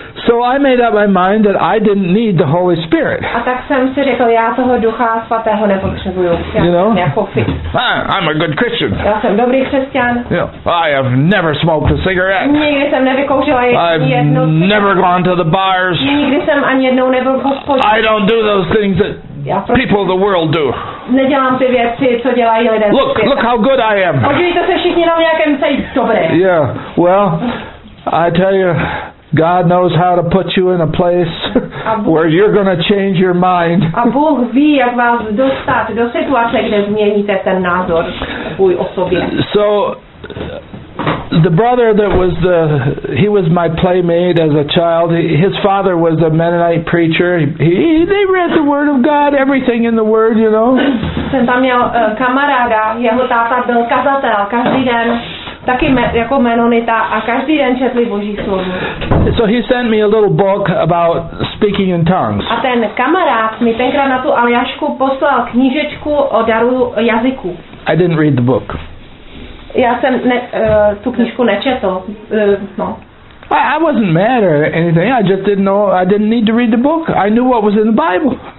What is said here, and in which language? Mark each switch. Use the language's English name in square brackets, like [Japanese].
[English] So I made up my mind that I didn't need the Holy Spirit. [Czech] A tak jsem si řekl, já toho Ducha Svatého nepotřebuju. [English] You know? [Czech] Jako [English] I'm a good Christian. [Czech] Já jsem dobrý křesťan. [English] You know, I have never smoked a cigarette. [Czech] Nikdy jsem nevykouřil ani jednu cigaretu. [English] I've never gone to the bars. [Czech] Nikdy jsem ani jednou nebyl v hospodě. [English] I don't do those things that people of the world do. [Czech] Nedělám ty věci, co dělají lidé. [English] Look how good I am. [Czech] Podívejte se všichni na mě, jak jsem dobrý. [English] Yeah. Well, I tell you, God knows how to put you in a place where you're going to change your mind. [Czech] A Bůh ví, jak vás dostat do situace, kde změníte ten názor svůj o sobě. [English] So the brother that was he was my playmate as a child. His father was a Mennonite preacher. They read the Word of God, everything in the Word, you know. [Czech] Jsem tam měl kamaráda, jeho táta byl kazatel, každý den. Taky jako Menonita a každý den četli Boží slovo. [English] So he sent me a little book about speaking in tongues. [Czech] A ten kamarád mi tenkrát na tu Aljašku poslal knížečku o daru jazyku. [English] I didn't read the book. [Czech] Já jsem tu knížku nečetl. [English] I wasn't mad or anything. I just didn't know. I didn't need to read the book. I knew what was in the Bible.